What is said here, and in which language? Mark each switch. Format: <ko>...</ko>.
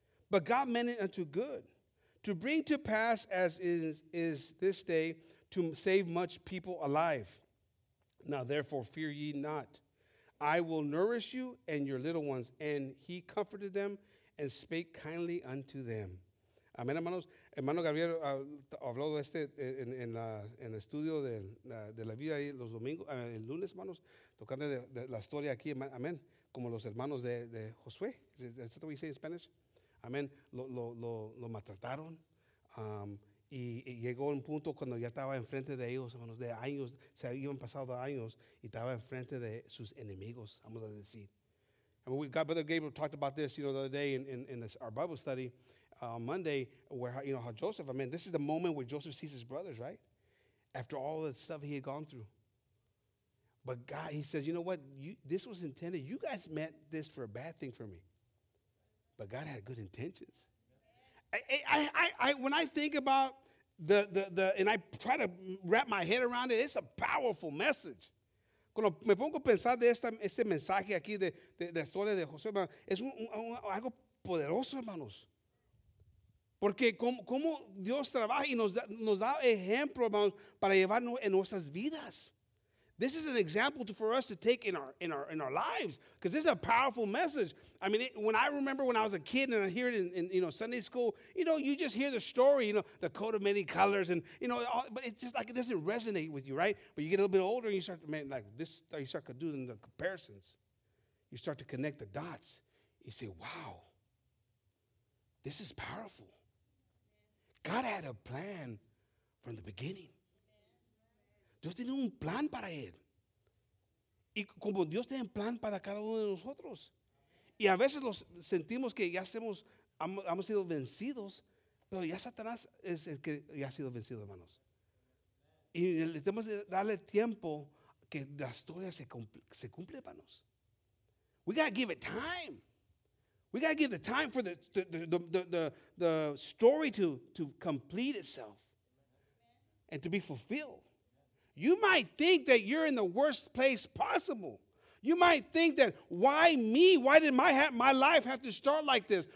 <en>But God meant it unto good, to bring to pass as is this day, to save much people alive. Now therefore fear ye not. I will nourish you and your little ones. And he comforted them and spake kindly unto them.</en> <es>Amén, hermanos. Hermano Gabriel habló de este en el estudio de la vida ahí los domingos, el lunes, hermanos, tocando de la historia aquí, amén, como los hermanos de Josué.</es> <en>Is that what you say in Spanish? Amén.</en> <es>Lo maltrataron. Y llegó un punto cuando ya estaba enfrente de ellos, hermanos, de años, se habían pasado años y estaba enfrente de sus enemigos, vamos a decir.</es> <en>I mean, Brother Gabriel talked about this, you know, the other day in our Bible study on Monday, where, you know, how Joseph, I mean, this is the moment where Joseph sees his brothers, right? After all the stuff he had gone through. But God, he says, you know what? This was intended. You guys meant this for a bad thing for me. But God had good intentions. I when I think about the and I try to wrap my head around it, it's a powerful message.</en> <es>Cuando me pongo a pensar de este mensaje aquí de la historia de José, es algo poderoso, hermanos. Porque cómo Dios trabaja y nos da ejemplo, hermanos, para llevarnos en nuestras vidas.</es> <en>This is an example for us to take in our lives, because this is a powerful message. I mean, when I was a kid and I hear it in Sunday school, you know, you just hear the story, you know, the coat of many colors, and you know, all, but it's just like it doesn't resonate with you, right? But you get a little bit older and you start to make like this, you start to do the comparisons, you start to connect the dots. You say, "Wow, this is powerful. God had a plan from the beginning."</en> <es>Dios tiene un plan para él. Y como Dios tiene un plan para cada uno de nosotros. Y a veces los sentimos que ya hemos sido vencidos, pero ya Satanás es el que ya ha sido vencido, hermanos. Y tenemos que darle tiempo que la historia se cumple, hermanos.</es> <en>We got to give it time. We got to give the time for the story to complete itself and to be fulfilled. You might think that you're in the worst place possible. You might think that, why me? Why did my life have to start like this?</en>